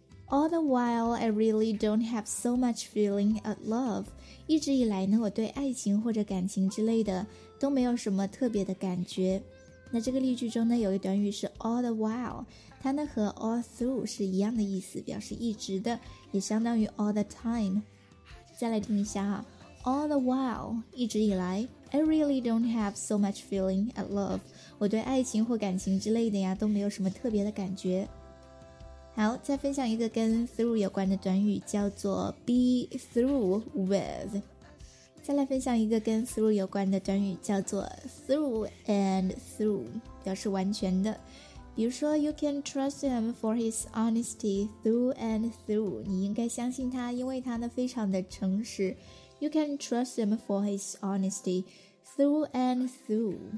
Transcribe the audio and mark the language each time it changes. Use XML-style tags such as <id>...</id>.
<en>All the while, I really don't have so much feeling of love.</en> <zh>一直以来呢，我对爱情或者感情之类的都没有什么特别的感觉。那这个例句中呢，有一短语是</zh> <en>all the while，</en> <zh>它呢和</zh> <en>all through</en> <zh>是一样的意思，表示一直的，也相当于</zh> <en>all the time。</en> <zh>再来听一下啊 ，</zh> <en>all the while，</en> <zh>一直以来 ，</zh> <en>I really don't have so much feeling at love，</en> <zh>我对爱情或感情之类的呀都没有什么特别的感觉。好，再分享一个跟 through 有关的短语，叫做</zh> <en>be through with。</en> <zh>再来分享一个跟 through 有关的短语，叫做</zh> <en>through and through，</en> <zh>表示完全的。比如说</zh> <en>，You can trust him for his honesty through and through。</en> <zh>你应该相信他，因为他呢非常的诚实。</zh> <en>You can trust him for his honesty through and through。</en>